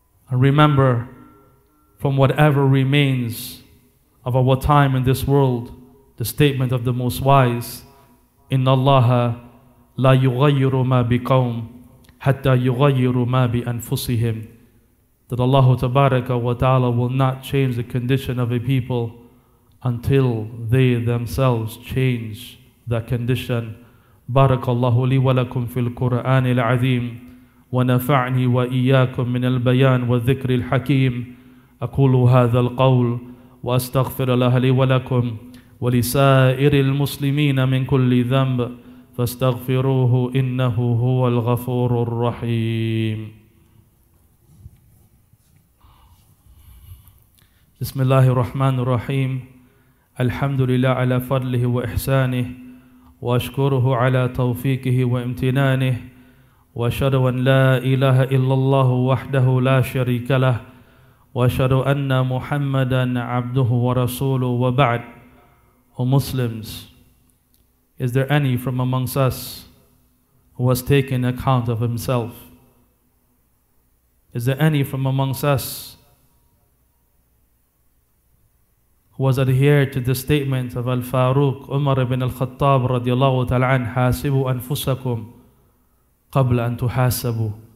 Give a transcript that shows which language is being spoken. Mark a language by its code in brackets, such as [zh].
[en] And remember, from whatever remains of our time in this world, the statement of the Most Wise, [ar] إِنَّ اللَّهَ لَا يُغَيِّرُ مَا بِقَوْمٍ حَتَّى يُغَيِّرُ مَا بِأَنفُسِهِمْ, [en] that Allah Tabaraka wa Ta'ala will not change the condition of a people until they themselves change that condition. [ar] بارك الله لي ولكم في القرآن العظيم ونفعني وإياكم من البيان والذكر الحكيم أقول هذا القول وأستغفر الله لي ولكم ولسائر المسلمين من كل ذنب فاستغفروه إنه هو الغفور الرحيم. بسم الله الرحمن الرحيم. الحمد لله على فضله وإحسانه وأشكره على توفيقه وامتنانه وأشهد أن لا إله إلا الله وحده لا شريك له وأشهد أن محمدا عبده ورسوله وبعد. [en] O Muslims, is there any from amongst us who has taken account of himself? Is there any from amongst us who has adhered to the statement of Al-Faruq Umar ibn Al-Khattab radiallahu ta'ala an, [ar] hasibu anfusakum qabla an tuhasabu.